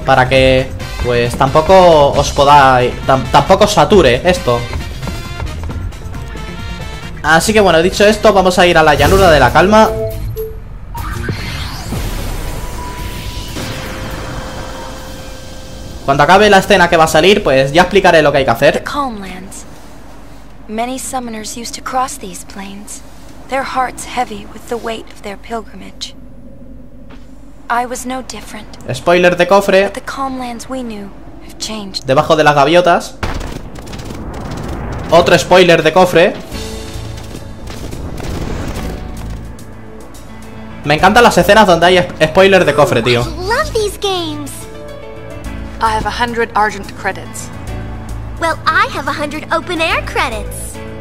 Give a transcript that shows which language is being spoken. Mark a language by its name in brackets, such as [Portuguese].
[Spanish] Para que, pues, tampoco os podáis... tampoco os sature esto. Así que bueno, dicho esto, vamos a ir a la llanura de la calma. Cuando acabe la escena que va a salir, pues ya explicaré lo que hay que hacer. [English] Calm lands. Many summoners used to cross these plains, their hearts heavy with the weight of their pilgrimage. I was no different. [Spanish] Spoiler de cofre. [English] The calm lands we knew have changed. [Spanish] Debajo de las gaviotas. Otro spoiler de cofre. Me encantan las escenas donde hay spoiler de cofre, tío. [English] I have 100 Argent credits. Well, I have 100 open air credits.